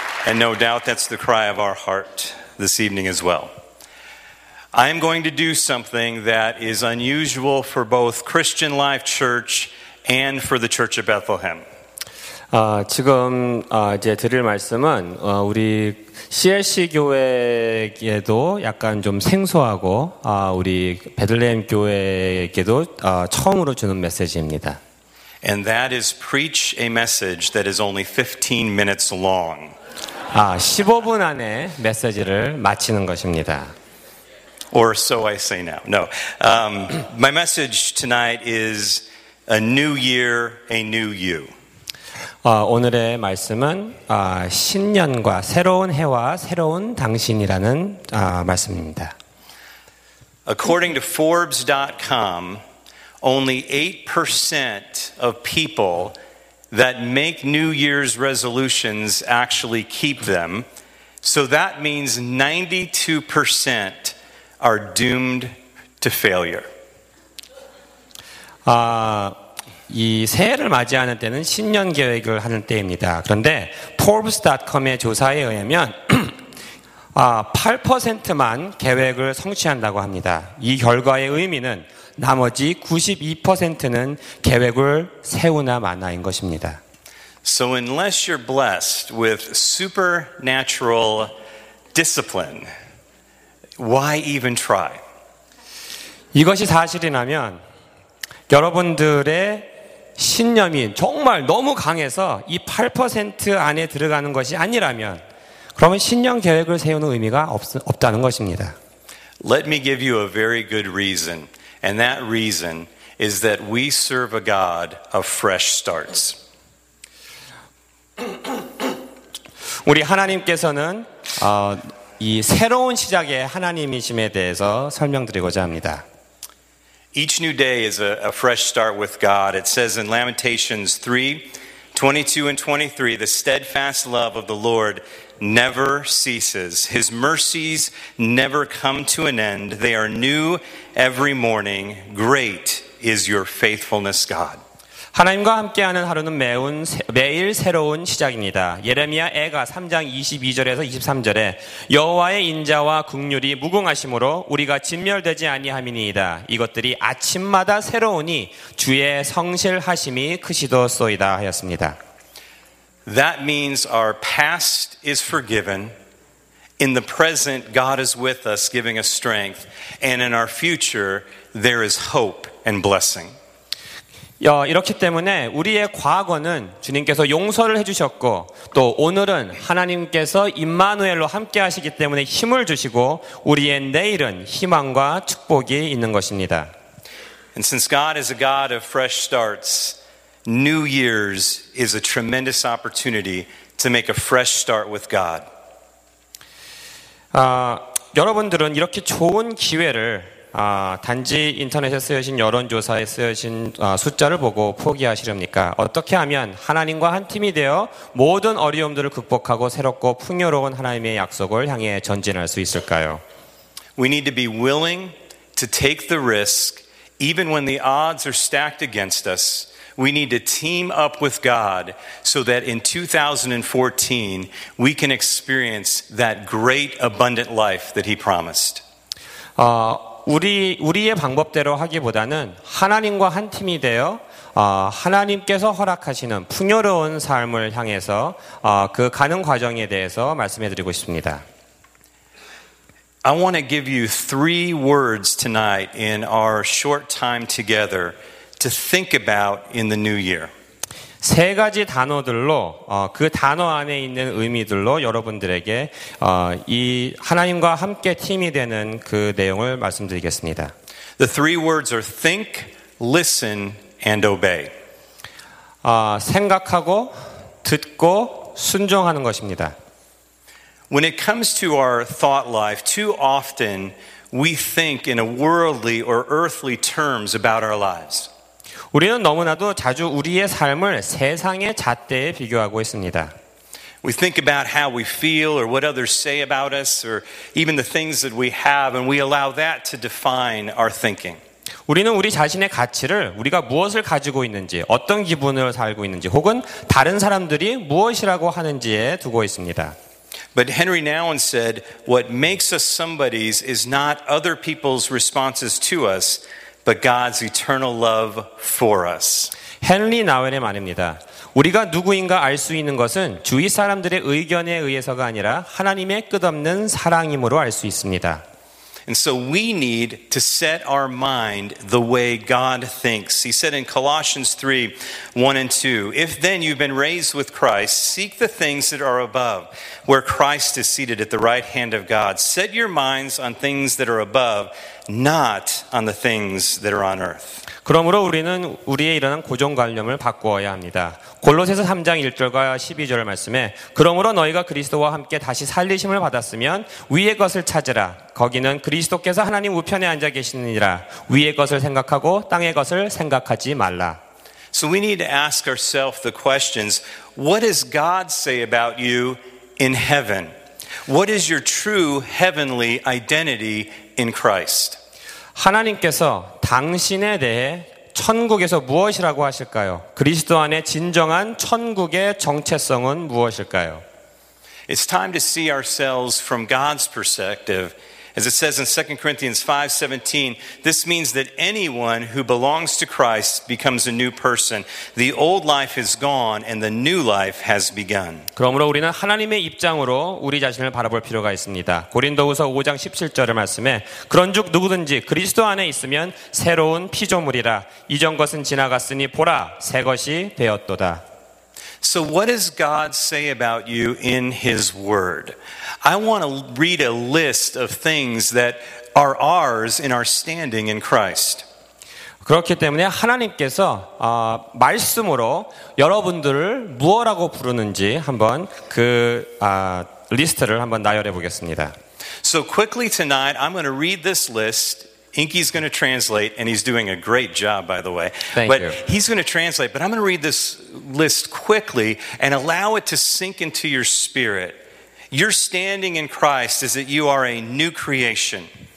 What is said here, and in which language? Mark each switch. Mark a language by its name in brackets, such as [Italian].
[English] And no doubt that's the cry of our heart this evening as well. I'm going to do something that is unusual for both Christian Life Church and for the Church of Bethlehem. [Korean] 지금 이제 드릴 말씀은 우리 CLC 교회에게도 약간 좀 생소하고 우리 베들레헴 교회에게도 처음으로 주는 메시지입니다. [English] And that is preach a message that is only 15 minutes long. [Korean] 15분 안에 메시지를 마치는 것입니다. [English] Or so I say now. No. My message tonight is a new year, a new you. [Korean] 오늘의 말씀은 신년과 새로운 해와 새로운 당신이라는 말씀입니다. [English] According to Forbes.com, only 8% of people that make New Year's resolutions actually keep them. So that means 92% are doomed to failure. [Korean] 이 새해를 맞이하는 때는 신년 계획을 하는 때입니다. 그런데 Forbes.com의 조사에 의하면 8%만 계획을 성취한다고 합니다. 이 결과의 의미는 나머지 92%는 계획을 세우나 마나인 것입니다. [English] So unless you're blessed with supernatural discipline, why even try? [Korean] 이것이 사실이라면 여러분들의 신념이 정말 너무 강해서 이 8% 안에 들어가는 것이 아니라면 그러면 신년 계획을 세우는 의미가 없다는 것입니다. [English] Let me give you a very good reason, and that reason is that we serve a God of fresh starts. [Korean] 우리 하나님께서는 이 새로운 시작의 하나님이심에 대해서 설명드리고자 합니다. [English] Each new day is a fresh start with God. It says in Lamentations 3, 22 and 23, the steadfast love of the Lord never ceases. His mercies never come to an end. They are new every morning. Great is your faithfulness, God. [Korean] 하나님과 함께하는 하루는 매일 새로운 시작입니다. 예레미야 애가 3장 22절에서 23절에 여호와의 인자와 긍휼이 무궁하심으로 우리가 진멸되지 아니함이니이다. 이것들이 아침마다 새로우니 주의 성실하심이 크시도소이다 하였습니다. [English] That means our past is forgiven. In the present, God is with us, giving us strength. And in our future, there is hope and blessing. [Korean] 이렇기 때문에 우리의 과거는 주님께서 용서를 해주셨고 또 오늘은 하나님께서 임마누엘로 함께 하시기 때문에 힘을 주시고 우리의 내일은 희망과 축복이 있는 것입니다. [English] And since God is a God of fresh starts, New Year's is a tremendous opportunity to make a fresh start with God. [Korean] 여러분들은 이렇게 좋은 기회를 단지 인터넷에 쓰여진 여론조사에 쓰여진 숫자를 보고 포기하시렵니까? 어떻게 하면 하나님과 한 팀이 되어 모든 어려움들을 극복하고 새롭고 풍요로운 하나님의 약속을 향해 전진할 수 있을까요? [English] We need to be willing to take the risk even when the odds are stacked against us. We need to team up with God so that in 2014 we can experience that great abundant life that he promised. [Korean] 우리의 방법대로 하기보다는 하나님과 한 팀이 되어 하나님께서 허락하시는 풍요로운 삶을 향해서 그 가는 과정에 대해서 말씀해 드리고 싶습니다. [English] I want to give you three words tonight in our short time together to think about in the new year. [Korean] 세 가지 단어들로 그 단어 안에 있는 의미들로 여러분들에게 이 하나님과 함께 팀이 되는 그 내용을 말씀드리겠습니다. [English] The three words are think, listen, and obey. [Korean] 생각하고 듣고 순종하는 것입니다. [English] When it comes to our thought life, too often we think in a worldly or earthly terms about our lives. [Korean] 우리는 너무나도 자주 우리의 삶을 세상의 잣대에 비교하고 있습니다. [English] We think about how we feel or what others say about us or even the things that we have and we allow that to define our thinking. [Korean] 우리는 우리 자신의 가치를 우리가 무엇을 가지고 있는지, 어떤 기분으로 살고 있는지 혹은 다른 사람들이 무엇이라고 하는지에 두고 있습니다. [English] But Henry Nouwen said what makes us somebody's is not other people's responses to us. But God's eternal love for us. [Korean] 헨리 나원의 말입니다. 우리가 누구인가 알 수 있는 것은 주위 사람들의 의견에 의해서가 아니라 하나님의 끝없는 사랑임으로 알 수 있습니다. [English] And so we need to set our mind the way God thinks. He said in Colossians 3, 1 and 2, If then you've been raised with Christ, seek the things that are above, where Christ is seated at the right hand of God. Set your minds on things that are above, not on the things that are on earth. [Korean] 그러므로 우리는 우리의 이러한 고정관념을 바꾸어야 합니다. 골로새서 3장 1절과 12절을 말씀해 그러므로 너희가 그리스도와 함께 다시 살리심을 받았으면 위의 것을 찾으라. 거기는 그리스도께서 하나님 우편에 앉아 계시느니라. 위의 것을 생각하고 땅의 것을 생각하지 말라. [English] So we need to ask ourselves the questions, what does God say about you in heaven? What is your true heavenly identity in Christ? [Korean] 하나님께서 당신에 대해 천국에서 무엇이라고 하실까요? 그리스도 안에 진정한 천국의 정체성은 무엇일까요? [English] It's time to see ourselves from God's perspective. As it says in 2 Corinthians 5:17, this means that anyone who belongs to Christ becomes a new person. The old life is gone and the new life has begun. [Korean] 그러므로 우리는 하나님의 입장으로 우리 자신을 바라볼 필요가 있습니다. 고린도후서 5장 17절의 말씀에 그런즉 누구든지 그리스도 안에 있으면 새로운 피조물이라 이전 것은 지나갔으니 보라 새 것이 되었도다. [English] So what does God say about you in His Word? I want to read a list of things that are ours in our standing in Christ. [Korean] 그렇기 때문에 하나님께서 말씀으로 여러분들을 무엇이라고 부르는지 한번 그 리스트를 한번 나열해 보겠습니다. [English] So quickly tonight, I'm going to read this list. Inky's going to translate, and he's doing a great job, by the way. Thank you. He's going to translate, but I'm going to read this list quickly and allow it to sink into your spirit. Your standing in Christ is that you are a new creation.